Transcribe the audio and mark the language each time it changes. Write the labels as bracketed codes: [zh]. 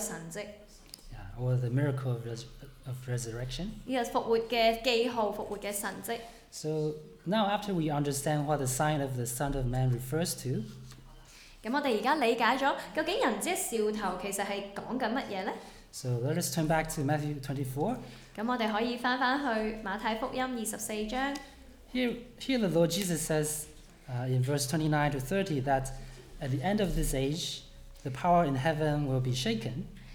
[zh] 所以在圣经里面,当讲到人子的兆头,其实就是讲这个复活的神迹。 [en] Or the miracle of resurrection. [zh] 这个复活的记号,复活的神迹。 [en] So now after we understand what the sign of the Son of Man refers to, [zh] 我们现在理解了,究竟人子的兆头其实是讲什么呢? [en] So let us turn back to Matthew 24. [zh] 我们可以回到马太福音24章。 [en] Here the Lord Jesus says, in verse 29 to 30, that at the end of this age, the power in heaven will be shaken.